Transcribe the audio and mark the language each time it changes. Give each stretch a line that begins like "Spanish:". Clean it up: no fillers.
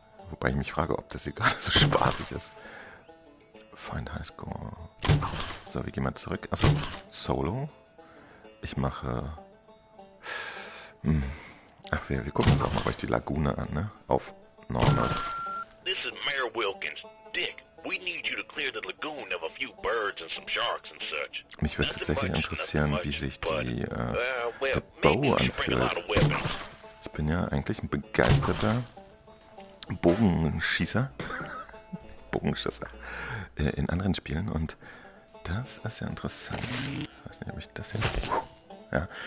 German: Wobei ich mich frage, ob das hier gar nicht so spaßig ist. Find Highscore. So, wir gehen mal zurück. Achso, Solo. Ich mache... Ach, wir gucken uns auch mal euch die Lagune an, ne? Auf Normal.
English: This is Mayor Wilkins. Dick. We need you to clear the lagoon of a few birds and some sharks and such.
German: Mich würde tatsächlich interessieren, wie sich der Bow anfühlt. Ich bin ja eigentlich ein begeisterter Bogenschießer. Bogenschießer. In anderen Spielen. Und das ist ja interessant. Ich weiß nicht, ob ich das hier... Ja.